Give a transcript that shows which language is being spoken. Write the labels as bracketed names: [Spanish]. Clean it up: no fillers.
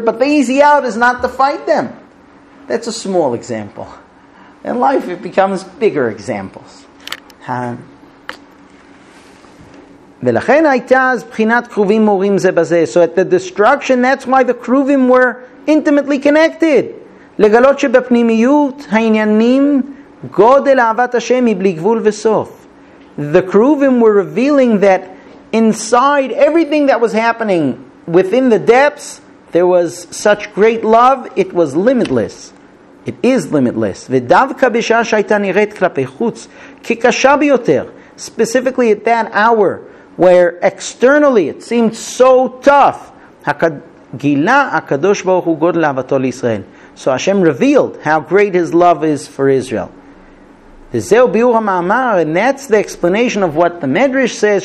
[English] But the easy out is not to fight them. That's a small example. In life, it becomes bigger examples. [Hebrew] V'lachen haitaz b'chinat kruvim morim ze bazeh. [English] So at the destruction, that's why the kruvim were intimately connected. [Hebrew] לגלות שבפנימיות העניינים גודל אהבת השם היא בלי גבול וסוף. [English] The Kruvim were revealing that inside everything that was happening within the depths, there was such great love, it was limitless. It is limitless. [Hebrew] ודווקא בשעה שהייתה נראית כלפי חוץ כקשה ביותר, [English] specifically at that hour, where externally it seemed so tough. [Hebrew] Gila HaKadosh Baruch Hu Godel Ahavato LeYisrael. [English] So Hashem revealed how great His love is for Israel. [Hebrew] Zeu biur ha-ma'amar, [English] and that's the explanation of what the Medrash says.